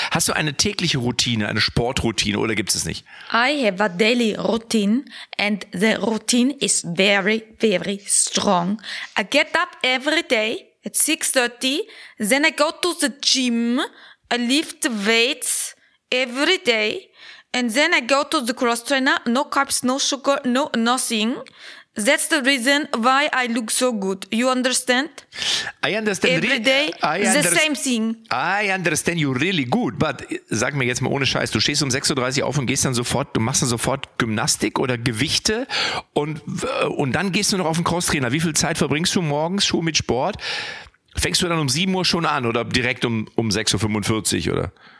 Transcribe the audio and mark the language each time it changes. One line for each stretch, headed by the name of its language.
German: Hast du eine tägliche Routine, eine Sportroutine oder gibt's es nicht?
English: I have a daily routine and the routine is very, very strong. I get up every day at 6:30. Then I go to the gym. I lift weights every day. And then I go to the cross trainer. No carbs, no sugar, no nothing. That's the reason why I look so good. You understand? I understand. Every day, the same thing. I understand you really good.
German: But sag mir jetzt mal ohne Scheiß, du stehst um 6.30 Uhr auf und gehst dann sofort, du machst dann sofort Gymnastik oder Gewichte und dann gehst du noch auf den Crosstrainer. Wie viel Zeit verbringst du morgens schon mit Sport? Fängst du dann um 7 Uhr schon an oder direkt um 6.45 Uhr oder?